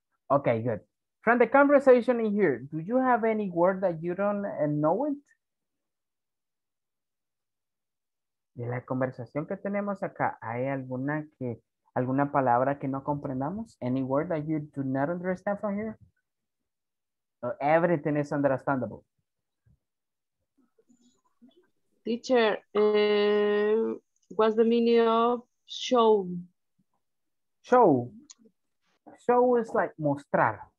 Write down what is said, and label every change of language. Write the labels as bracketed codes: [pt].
[en] Okay, good. From the conversation in here, do you have any word that you don't know it? [es] De la conversación que tenemos acá, ¿hay alguna palabra que no comprendamos? [en] Any word that you do not understand from here? So everything is understandable. Teacher, what's the meaning of show? Show. Show is like mostrar.